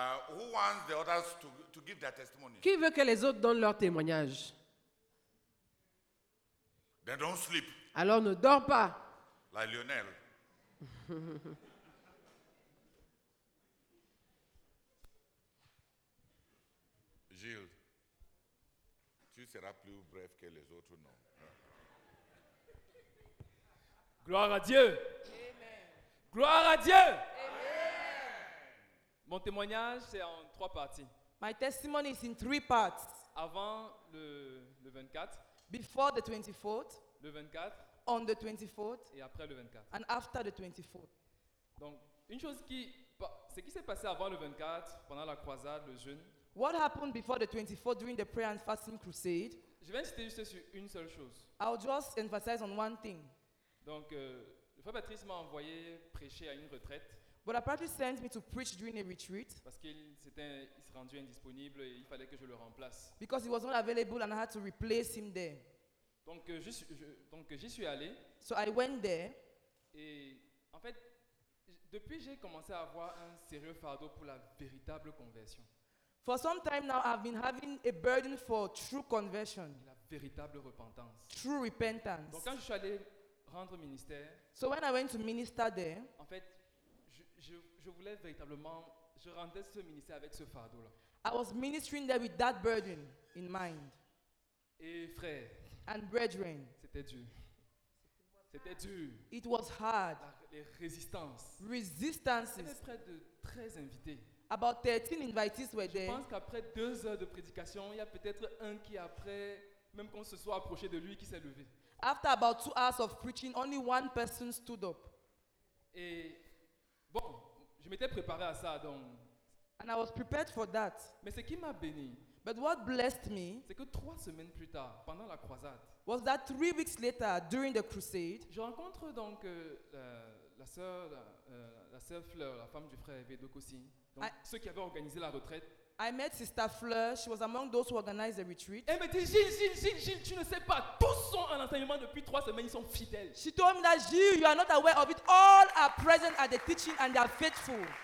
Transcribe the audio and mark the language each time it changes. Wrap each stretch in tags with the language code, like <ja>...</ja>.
<en>Who wants the others to give their testimony?</en> <fr>Qui veut que les autres donnent leur témoignage?</fr> <en>They don't sleep.</en> <fr>Alors ne dors pas.</fr> <en>Like Lionel.</en> <fr>Gilles, tu seras plus bref que les autres, non? Gloire à Dieu. Amen. Gloire à Dieu. Amen. Mon témoignage c'est en trois parties.</fr> <en>My testimony is in three parts.</en> <fr>Avant le 24.</fr> <en>Before the 24th.</en> <fr>Le 24.</fr> <en>On the 24th.</en> <fr>Et après le 24.</fr> <en>And after the 24th.</en> <fr>Donc une chose qui, ce qui s'est passé avant le 24, pendant la croisade, le jeûne.</fr> <en>What happened before the 24th during the prayer and fasting crusade?</en> <fr>Je vais insister juste sur une seule chose.</fr> <en>I'll just emphasize on one thing.</en> <fr>Donc, le frère Patrice m'a envoyé prêcher à une retraite.</fr> <en>But apparently sent me to preach during a retreat.</en> <fr>Parce qu'il s'est rendu indisponible et il fallait que je le remplace.</fr> <en>Because he was not available and I had to replace him there.</en> <fr>Donc, j'y suis allé.</fr> <en>So I went there.</en> <fr>Et en fait, depuis j'ai commencé à avoir un sérieux fardeau pour la véritable conversion.</fr> <en>For some time now, I've been having a burden for true conversion.</en> <fr>La véritable repentance.</fr> <en>True repentance.</en> <fr>Donc, quand je suis allé rendre ministère.</fr> <en>So when I went to minister there,</en> <fr>en fait, je voulais véritablement, je rendais ce ministère avec ce fardeau-là.</fr> <en>I was ministering there with that burden in mind.</en> <fr>Et frère.</fr> <en>And brethren.</en> <fr>C'était dur. C'était dur.</fr> <en>It was hard.</en> <fr>Les résistances.</fr> <en>Resistances.</en> <fr>Il y avait près de 13 invités.</fr> <en>About 13 invitees were there.</en> <fr>Je pense qu'après 2 heures de prédication, il y a peut-être un qui après, même qu'on se soit approché de lui, qui s'est levé.</fr> <en>After about 2 hours of preaching, only one person stood up.</en> <fr>Et bon, je m'étais préparé à ça, donc.</fr> <en>And I was prepared for that.</en> <fr>Mais ce qui m'a béni.</fr> <en>But what blessed me.</en> <fr>C'est que 3 semaines plus tard, pendant la croisade.</fr> <en>Was that 3 weeks later during the crusade?</en> <fr>Je rencontre donc la sœur Fleur, la femme du frère Védoc aussi, donc ceux qui avaient organisé la retraite.</fr> <en>I met Sister Fleur. She was among those who organized the retreat.</en> <fr>Elle me dit, Gilles, tu ne sais pas. Tous sont en enseignement depuis 3 semaines. Ils sont fidèles.</fr> <en>She told me that Gilles, you are not aware of it. All are present at the teaching and they are faithful.</en>